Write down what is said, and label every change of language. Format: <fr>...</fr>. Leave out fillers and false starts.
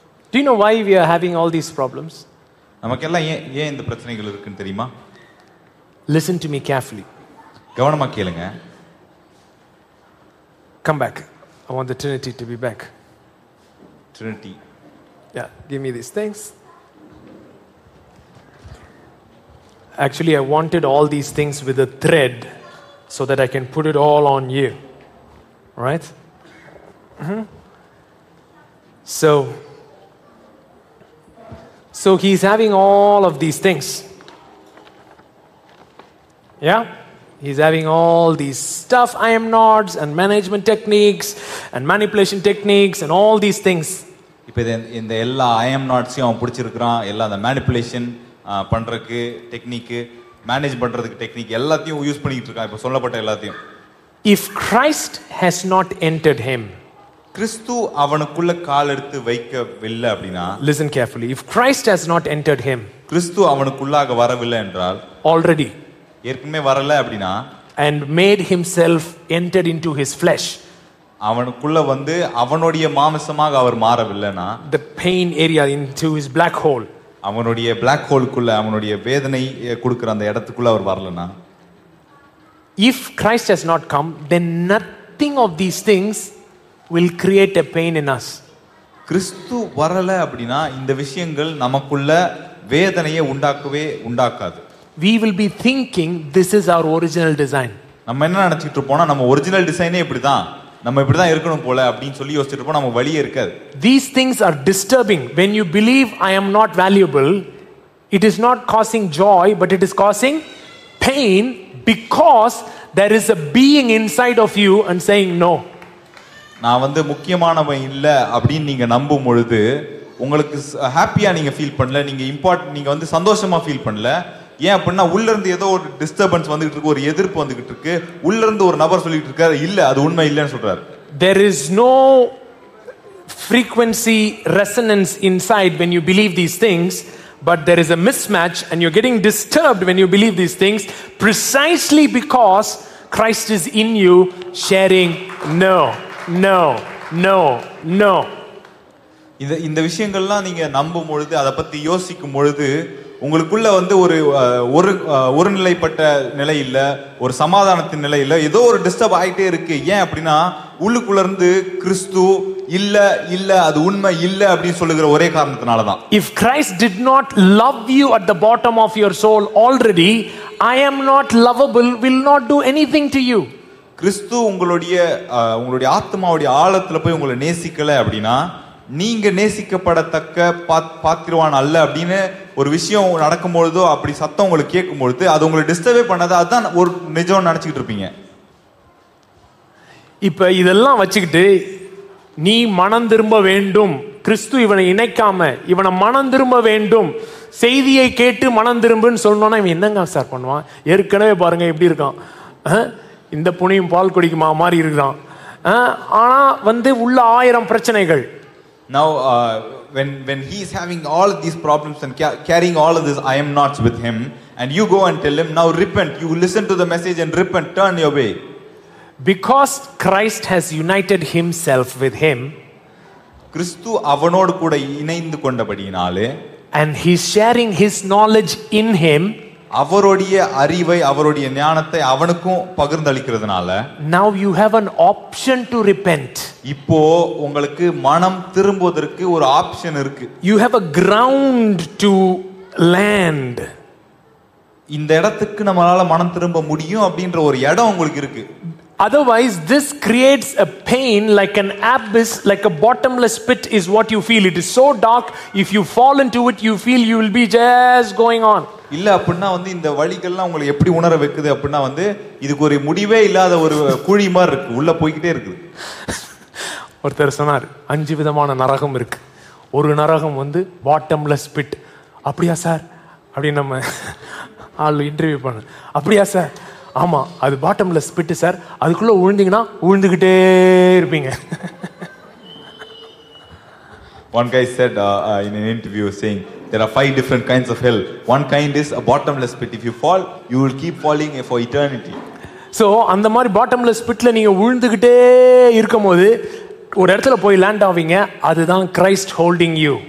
<en>Do you know why we are having all these problems?</en> <ta>நமக்கெல்லாம் ஏன் ஏன் இந்த பிரச்சனைகள் இருக்குன்னு தெரியுமா?</ta> <en>Listen to me carefully.</en> <ta>கவனமா கேளுங்க.</ta> <en>Come back. I want the Trinity to be back. Trinity. Yeah, give me these things. Actually, I wanted all these things with a thread so that I can put it all on you. Right? Mm-hmm. So he's having all of these things. Yeah? He's having all these stuff, IM nods and management techniques and manipulation techniques and all these things.</en> <ta>இந்த எல்லா IM nods அவன் பிடிச்சிருக்கிறான், எல்லா அந்த manipulation பண்றதுக்கு டெக்னிக்கு, manage பண்றதுக்கு technique எல்லாத்தையும் use பண்ணிட்டு இருக்கான். இப்ப சொல்லப்பட்ட எல்லாத்தையும்.</ta> <en>If Christ has not entered him,</en> <ta>கிறிஸ்து அவனுக்குள்ள கால் எடுத்து வைக்கவில்லை அப்படின்னா,</ta> <en>listen carefully, if Christ has not entered him,</en> <ta>கிறிஸ்து அவனுக்குள்ளாக வரவில்லை என்றால்,</ta> <en>already</en> <ta>ஏற்கனவே வரல அப்படின்னா,</ta> <en>and made himself entered into his flesh,</en> <ta>அவனுக்குள்ள வந்து அவனுடைய மாம்சமாக அவர் மாறவில்லைனா,</ta> <en>the pain area into his black hole,</en> <ta>அவனுடைய black hole-க்குள்ள அவனுடைய வேதனை கொடுக்கிற அந்த இடத்துக்குள்ள அவர் வரலனா,</ta> <en>if Christ has not come, then nothing of these things will create a pain in us.</en> <ta>கிறிஸ்து வரல அப்படினா இந்த விஷயங்கள் நமக்குள்ள வேதனையை உண்டாக்கவே உண்டாக்காது.</ta> <en>We will be thinking this is our original design.</en> <ta>நம்ம என்ன நினைச்சிட்டு போனா, நம்ம ஒரிஜினல் டிசைனே இப்படிதான், நம்ம இப்படி தான் இருக்கணும் போல அப்படினு சொல்லி யோசிச்சிட்டு போனா நம்ம வலியே இருக்காது.</ta> <en>These things are disturbing. When you believe I am not valuable, it is not causing joy but it is causing pain because there is a being inside of you and saying no.</en> <ta>நான் வந்து முக்கியமானவன் இல்ல அப்படின்னு நீங்க நம்பும் பொழுது உங்களுக்கு ஹாப்பியா நீங்க ஃபீல் பண்ணல, நீங்க இம்பார்ட்டன்ட், நீங்க வந்து சந்தோஷமா ஃபீல் பண்ணல. ஏன் அப்படின்னா உள்ள இருந்து ஏதோ ஒரு டிஸ்டர்பன்ஸ் வந்துட்டு இருக்கு, ஒரு எதிர்ப்பு வந்துகிட்டு இருக்கு, உள்ள இருந்து ஒரு நபர் சொல்லிட்டு இருக்காரு இல்ல அது உண்மை இல்லைன்னு சொல்றாரு.</ta> <en>There is no frequency resonance inside when you believe these things, but there is a mismatch and you're getting disturbed when you believe these things precisely because Christ is in you sharing no. No, no, no.</en> <ta>இந்த விஷயங்கள்லாம் நீங்க நம்பும் பொழுது, அதை பத்தி யோசிக்கும் பொழுது உங்களுக்குள்ள வந்து ஒரு ஒரு நிலைப்பட்ட நிலை இல்ல, ஒரு சமாதானத்தின் நிலை இல்ல, ஏதோ ஒரு டிஸ்டர்ப் ஆகிட்டே இருக்கு. ஏன் அப்படின்னா உள்ளுக்குள்ள இருந்து கிறிஸ்து இல்ல இல்ல அது உண்மை இல்ல அப்படின்னு சொல்லுகிற ஒரே காரணத்தினாலதான்.</ta> <en>If Christ did not love you at the bottom of your soul already, I am not lovable, will not do anything to you.</en> <ta>கிறிஸ்து உங்களுடைய ஆத்மாவுடைய ஆழத்துல போய் உங்களை நேசிக்கல அப்படின்னா நீங்க நேசிக்கப்படத்தக்க பாத்திரவான் அல்ல அப்படின்னு ஒரு விஷயம் நடக்கும்பொழுதோ அப்படி சத்தம் உங்களுக்கு கேட்கும்பொழுது அது உங்களை டிஸ்டர்பே பண்ணாத, அதுதான் ஒரு நிஜம் நினைச்சுக்கிட்டு இருப்பீங்க. இப்ப இதெல்லாம் வச்சுக்கிட்டு நீ மனம் திரும்ப வேண்டும், கிறிஸ்து இவனை இணைக்காம இவனை மனம் திரும்ப வேண்டும், செய்தியை கேட்டு மனம் திரும்புன்னு சொல்லணும்னா இவன் என்னங்க சார் பண்ணுவான்? ஏற்கனவே பாருங்க எப்படி இருக்கான், இந்த புனையும் பால் குடிக்குமா மாதிரி இருக்கான். ஆனா வந்து உள்ள 1000 பிரச்சனைகள்.</ta> <en>Now when he is having all of these problems and carrying all of this I am nots with him, and you go and tell him now repent, you listen to the message and repent, turn your way, because Christ has united himself with him.</en> <ta>கிறிஸ்து அவனோடு கூட இணைந்து கொண்டபடியினாலே,</ta> <en>and he is sharing his knowledge in him,</en> <ta>அவருடைய அறிவை அவருடைய ஞானத்தை அவனுக்கும் பகிர்ந்தளிக்கிறதுனால,</ta> <en>Now you have an option to repent.</en> <ta>இப்போ உங்களுக்கு மனம் திரும்புவதற்கு ஒரு ஆப்ஷன் இருக்கு.</ta> <en>You have a ground to land.</en> <ta>இந்த இடத்துக்கு நம்மளால மனம் திரும்ப முடியும் அப்படின்ற ஒரு இடம் உங்களுக்கு இருக்கு.</ta> <en>Otherwise this creates a pain like an abyss, like a bottomless pit is what you feel. It is so dark, if you fall into it you feel you will be just going on.</en> <ta>இல்ல அப்படின்னா வந்து இந்த வழிகள்லாம் உங்களை எப்படி உணர வைக்குது அப்படின்னா வந்து இதுக்கு ஒரு முடிவே இல்லாத ஒரு குழி மாதிரி இருக்கு, உள்ள போய்கிட்டே இருக்கு. ஒருத்தர் சொன்னார் 5 விதமான நரகம் இருக்கு, ஒரு நரகம் வந்து பாட்டம்லெஸ் பிட். அப்படியா சார் அப்படின்னு நம்ம ஆள் இன்டர்வியூ பண்ண, அப்படியா சார், ஆமா அது பாட்டம்லெஸ் பிட்டு சார், அதுக்குள்ள விழுந்தீங்கன்னா விழுந்துகிட்டே இருப்பீங்க.</ta> <en>One guy said in an interview saying there are 5 different kinds of hell. One kind is a bottomless pit. If you fall, you will keep falling for eternity.</en> <ta>So, andha mari bottomless pit la neenga ulundukitte irukkumbodhu ஒரு இடத்துல போய் land ஆவீங்க அதுதான்</ta> <en>Christ holding you</en>